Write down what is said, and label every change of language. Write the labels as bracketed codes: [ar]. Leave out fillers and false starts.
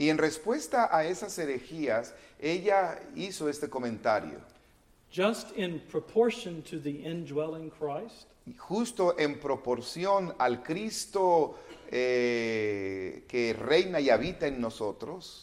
[es] Y en respuesta a esas herejías, ella hizo este comentario. [en] Just in proportion to the indwelling Christ. [es] Justo en proporción al Cristo que reina y habita en nosotros.